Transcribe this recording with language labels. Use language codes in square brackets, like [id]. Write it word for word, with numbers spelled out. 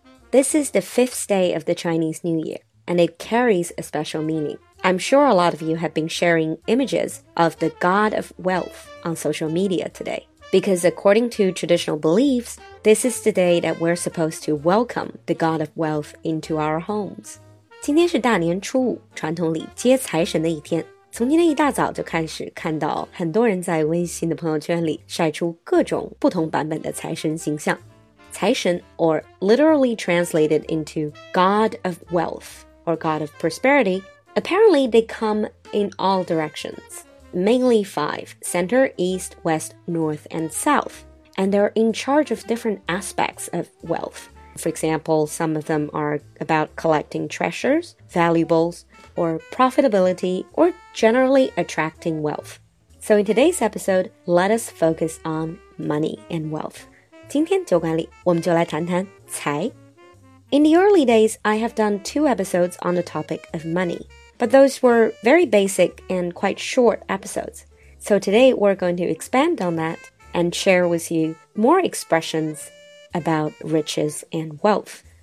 [en] This is the fifth day of the Chinese New Year, and it carries a special meaning. I'm sure a lot of you have been sharing images of the god of wealth on social media today, because according to traditional beliefs, this is the day that we're supposed to welcome the god of wealth into our homes. [zh] 今天是大年初五，传统里接财神的一天。从今天一大早就开始看到很多人在微信的朋友圈里晒出各种不同版本的财神形象。 [en] 财神 or literally translated into God of Wealth or God of Prosperity, apparently they come in all directions, mainly five, center, east, west, north, and south. And they're in charge of different aspects of wealth. For example, some of them are about collecting treasures, valuables, or profitability, or generally attracting wealth. So in today's episode, let us focus on money and wealth. [zh] 今天酒馆里我们就来谈谈财。 [en] In the early days, I have done two episodes on the topic of money, but those were very basic and quite short episodes. So today we're going to expand on that and share with you more expressions about riches and wealth.